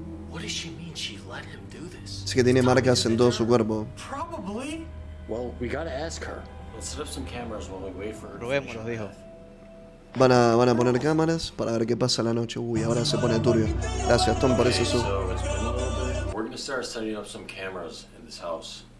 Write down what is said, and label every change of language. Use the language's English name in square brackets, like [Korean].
[English] What does she mean she let him do this? [Spanish] Así que tiene marcas en todo su cuerpo. [English] Probably. Well, we gotta ask her. Let's set up some cameras while we wait for her. [Spanish] Probémoslo, dijo. Van a poner cámaras para ver qué pasa la noche. Uy, ahora se pone turbio. Gracias, Tom, por eso. [English] So, it's been a little bit. We're gonna start setting up some cameras in this house.